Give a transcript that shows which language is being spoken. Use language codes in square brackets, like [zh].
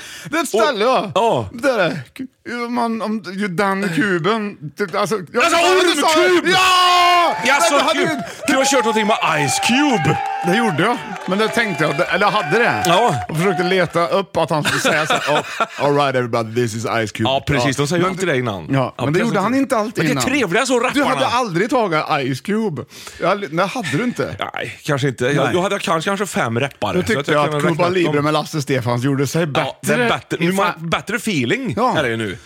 [sv] Det är ett ställe, va? Ja. Det är det. Man, om, den kuben. Alltså, jag sa ormkub! Ja! Jag sa kub. Du har kört någonting med Ice Cube. Det gjorde jag. Men det tänkte jag. Eller hade det. Ja. Och försökte leta upp att han skulle säga så. [en] Oh, all right everybody, this is Ice Cube. [sv] Ja, precis. Då säger jag inte det innan. Ja, men det gjorde han inte alltid innan. Men det är trevliga så rapparna. Du hade aldrig tagit Ice Cube. Nej, hade du inte. Nej, kanske inte. Nej. Då hade jag kanske 5 rappare. Då tyckte jag att Cuba Libre med Lasse Stefans gjorde sig bättre. Bättre feeling är det ju nu.